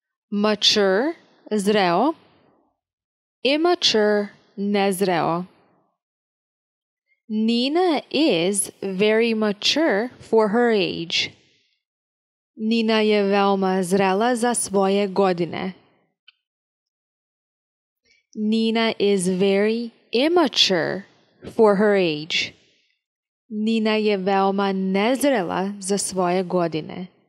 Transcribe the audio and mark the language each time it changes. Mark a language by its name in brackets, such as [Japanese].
[English] Mature, zreo. Immature, nezreo. Nina is very mature for her age. [Serbian] Nina je veoma zrela za svoje godine. [English] Nina is very immature for her age. [Serbian] Nina je veoma nezrela za svoje godine.